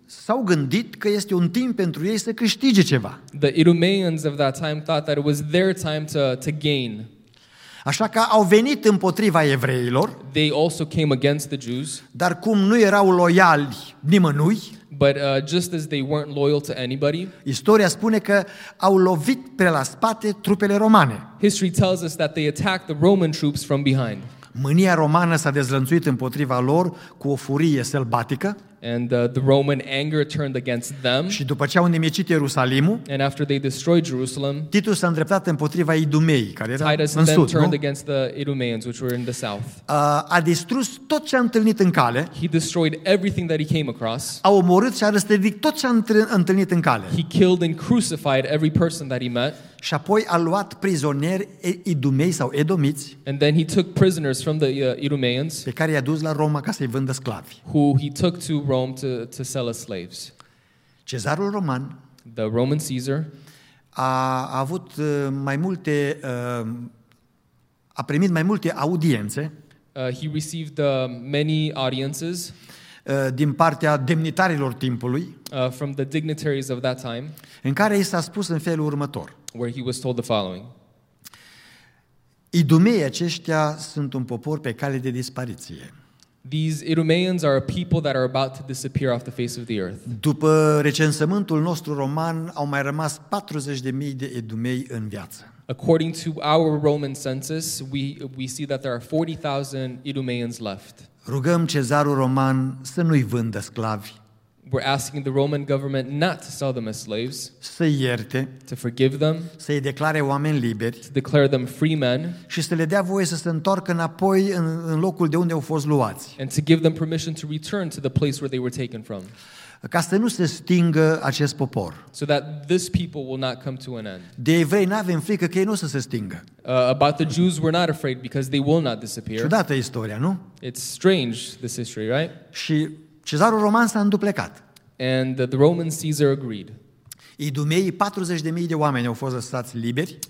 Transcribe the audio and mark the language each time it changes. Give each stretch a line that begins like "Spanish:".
Romanian: s-au gândit că este un timp pentru ei să câștige ceva.
English: The Idumeans of that time thought that it was their time to gain.
Romanian: Așa că au venit împotriva evreilor.
English: They also came against the Jews.
Romanian: Dar cum nu erau loiali nimănui,
English: but just as they weren't loyal to anybody,
Romanian: istoria spune că au lovit pe la spate trupele romane.
English: History tells us that they attacked the Roman troops from behind.
Romanian: Mânia romană s-a dezlănțuit împotriva lor cu o furie sălbatică.
English: And the Roman anger turned against them.
Romanian: Și după ce au nemicit Ierusalimul,
English: and after they destroyed Jerusalem,
Romanian: Titus s-a îndreptat împotriva Idumei, care era
English: Titus
Romanian: în sud,
English: turned against the Idumeans, which were in the south.
Romanian: A distrus tot ce a întâlnit în cale.
English: He destroyed everything that he came across.
Romanian: A omorât și a răstignit tot ce a întâlnit în cale.
English: He killed and crucified every person that he met.
Romanian: Și apoi a luat prizonieri idumei sau edomiți.
English: And then he took prisoners from the Idumeans.
Romanian: Pe care i-a dus la Roma ca să-i vândă sclavi.
English: Who he took to Rome to sell as slaves.
Romanian: Cezarul roman,
English: the Roman Caesar,
Romanian: a avut mai multe a primit mai multe audiențe.
English: He received many audiences
Romanian: din partea demnitarilor timpului,
English: from the dignitaries of that time,
Romanian: în care i s-a spus în felul următor.
English: Where he was told the following.
Romanian: Idumei aceștia sunt un popor pe cale de dispariție.
English: These Idumeans are a people that are about to disappear off the face of the earth.
Romanian: După recensământul nostru roman, au mai rămas 40.000 de Idumei în viață.
English: According to our Roman census, we see that there are 40,000 Idumeans left.
Romanian: Rugăm Cezarul roman să nu-i vândă sclavi.
English: We're asking the Roman government not to sell them as slaves.
Romanian: Să ierte,
English: to forgive them.
Romanian: Să îi declare oameni liberi.
English: To declare them free men.
Romanian: Și să le dea voie să se întoarcă înapoi în locul de unde au fost luați.
English: And to give them permission to return to the place where they were taken from.
Romanian: Ca să nu se stingă acest popor.
English: So that this people will not come to an end.
Romanian: De evrei n-avem frică că ei nu o să se stingă.
English: About the Jews, we're not afraid because they will not disappear.
Romanian: Ciudată istoria, nu?
English: It's strange, this history, right?
Romanian: Și Cezarul roman s-a înduplecat.
English: And the Roman Caesar agreed.
Romanian: Idumeii, 40.000 de oameni au fost lăsați liberi.